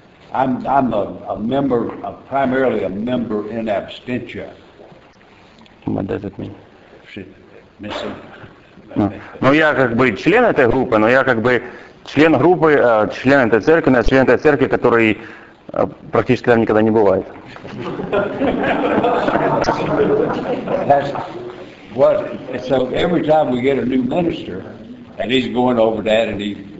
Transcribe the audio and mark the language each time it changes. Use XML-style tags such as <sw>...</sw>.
<en>I'm a member, primarily a member in absentia. What does it mean? Missing.</en> <ru>Ну, я как бы член этой группы, но я как бы член группы, член этой церкви, но член этой церкви, который практически там никогда не бывает.</ru> <en>That's what. So every time we get a new minister, and he's going over that, and he.</en>